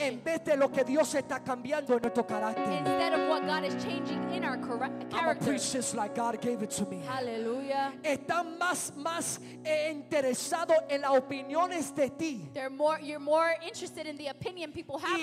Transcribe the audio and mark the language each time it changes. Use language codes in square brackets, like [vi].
[es] en vez de lo que Dios está cambiando en nuestro carácter, [en] instead of what God is changing in our character. I'm a priest just like God gave it to me. Hallelujah. [es] Están más interesado en las opiniones de ti. [en] They're more, you're more interested in the opinion people have